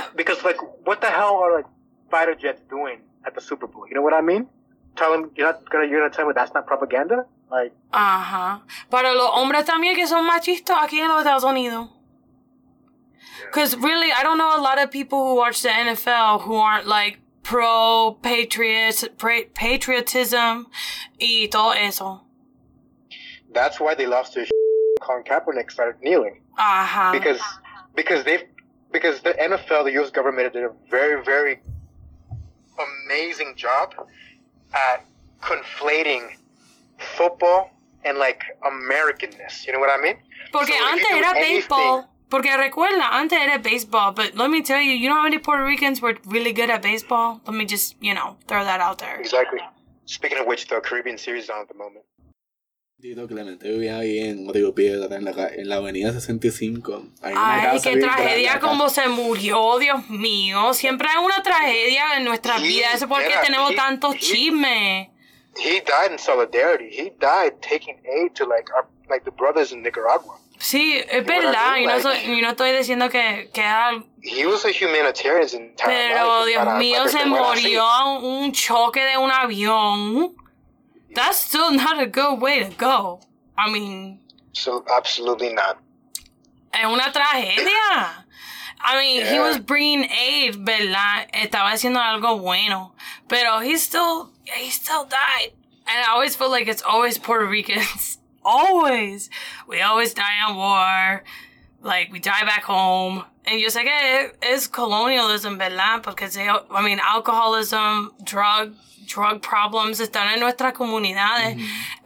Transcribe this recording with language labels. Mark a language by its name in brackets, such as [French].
[English] because, like, what the hell are, like, fighter jets doing at the Super Bowl? You know what I mean? Tell them, you're gonna tell me that's not propaganda? Like, uh-huh. [Spanish] Para los hombres también que son machistas aquí en los Estados Unidos. [English] Because really, I don't know a lot of people who watch the NFL who aren't like pro-patriotism [Spanish] y todo eso. [English] That's why they lost to Colin Kaepernick started kneeling. Uh-huh. Because the NFL, the U.S. government, did a very, very amazing job at conflating football and like Americanness. You know what I mean? [Spanish] Porque so antes era baseball. Porque recuerda, antes era [English] baseball, but let me tell you, you know how many Puerto Ricans were really good at baseball? Let me just, you know, throw that out there. Exactly. Speaking of which, the Caribbean Series is on at the moment. [Spanish] Dito Clemente vivía ahí en Rodrigo Piedra, en la avenida 65. Ay, qué tragedia, cómo se murió, Dios mío. Siempre hay una tragedia en nuestra vida. Eso es porque tenemos tantos chismes. [English] He died in solidarity. He died taking aid to, like the brothers in Nicaragua. [Spanish] Sí, es verdad, y no, [English] like, [Spanish] no estoy diciendo que [English] he was a humanitarian his entire [Spanish] pero [English] life, [Spanish] Dios mío, se murió un choque de un avión. [English] That's still not a good way to go. I mean, so absolutely not. [Spanish] Es una tragedia. [English] I mean, yeah. He was bringing aid, [Spanish] ¿verdad? Estaba haciendo algo bueno, pero [English] he still died. And I always feel like it's always Puerto Ricans. Always. We always die in war. Like, we die back home. And you're like, it's colonialism, [Spanish] ¿verdad? [English] Because, alcoholism, drug problems [Spanish] están en nuestras comunidades. [English] Mm-hmm.